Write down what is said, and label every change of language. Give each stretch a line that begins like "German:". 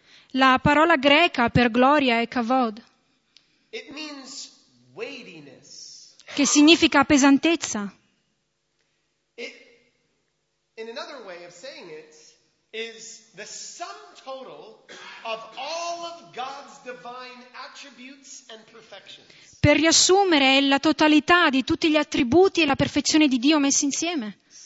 Italian: La parola greca per gloria è kavod, che significa pesantezza.
English: In another way of saying it, is the sum total of all of God's divine attributes and perfections.
Italian: Per riassumere, è la totalità di tutti gli attributi e la perfezione di Dio messi insieme.